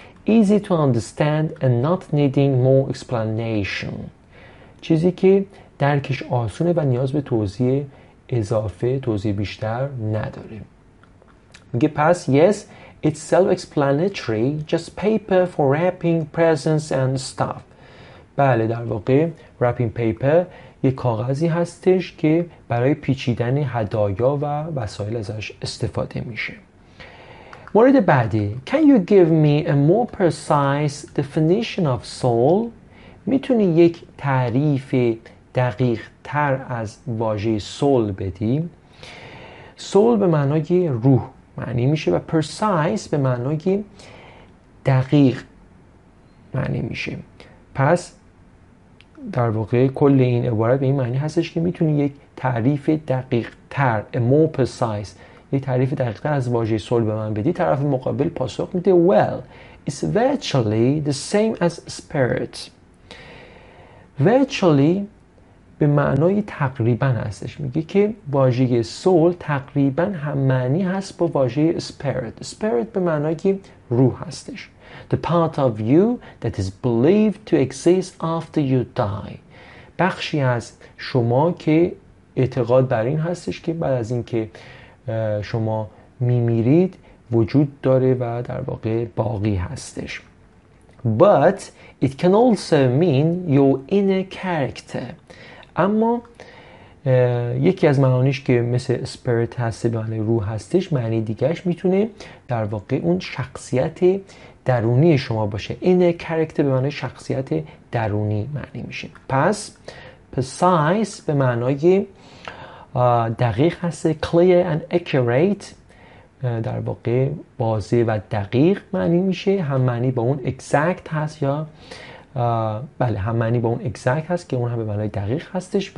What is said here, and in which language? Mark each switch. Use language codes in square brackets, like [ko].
[en] Easy to understand and not needing more explanation. [fa] چیزی که درکش آسونه و نیاز به توضیح اضافه، توضیح بیشتر نداره. میگه پس [en] yes, it's self-explanatory, just paper for wrapping presents and stuff. [fa] بله در واقع wrapping paper یک کاغذی هستش که برای پیچیدن هدایا و وسایل ازش استفاده میشه. مورد بعدی [en] Can you give me a more precise definition of soul؟ [fa] میتونی یک تعریف دقیق تر از واژه soul بدی؟ soul به معنای روح معنی میشه و precise به معنای دقیق معنی میشه. پس در واقع کل این عبارت به این معنی هستش که میتونی یک تعریف دقیق تر، [en] a more precise، [fa] یک تعریف دقیق تر از واژه soul به من بدی. طرف مقابل پاسخ میده [en] Well, it's virtually the same as spirit. [fa] Virtually به معنای تقریبا هستش. میگه که واژه soul تقریبا هم معنی هست با واژه spirit. Spirit به معنای روح هستش. [en] The part of you that is believed to exist after you die. [fa] بخشی از شما که اعتقاد بر این هستش که بعد از اینکه شما میمیرید وجود داره و در واقع باقی هستش. [en] But it can also mean your inner character. [fa] اما یکی از معانیش که مثل spirit هست به معنی روح هستش، معنی دیگرش میتونه در واقع اون شخصیت درونی شما باشه. inner character به معنی شخصیت درونی معنی میشه. پس precise به معنای دقیق هست، [en] clear and accurate [fa] در واقع واضح و دقیق معنی میشه، هم معنی با اون exact هست، یا بله هم معنی با اون exact هست که اون هم به معنای دقیق هستش.